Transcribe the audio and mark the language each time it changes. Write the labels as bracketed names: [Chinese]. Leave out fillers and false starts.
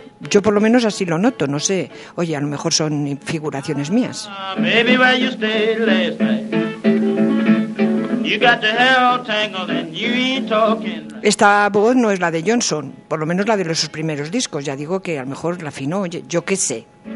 [Spanish] Yo por lo menos así lo noto, no sé. Oye, a lo mejor son figuraciones mías. [English] Baby, where you stayed last night? You got the hair all tangled and you ain't talking. [Spanish] Esta voz no es la de Johnson, por lo menos la de sus primeros discos. Ya digo que a lo mejor la afinó, yo qué sé.